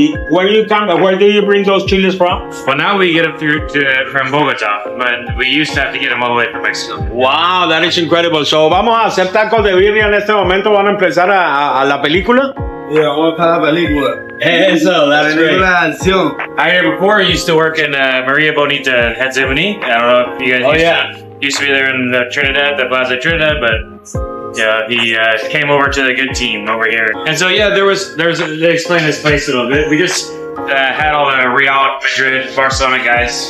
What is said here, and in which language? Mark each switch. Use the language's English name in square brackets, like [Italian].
[English] Where do you bring those chilies from? Well, now we get them from Bogotá, but we used to have to get them all the way from Mexico. Wow, that is incredible. [Spanish] So, vamos a hacer tacos de birria en este momento. ¿Van a empezar a la película? Yeah, vamos para la película. [English] Eso, that's great. I heard before, I used to work in Maria Bonita, Hetzimony. I don't know if you guys used to be there in the Trinidad, the Plaza Trinidad, but... Yeah, he came over to the good team over here. And so, yeah, there was they explained this place a little bit. We just had all the Real Madrid, Barcelona guys.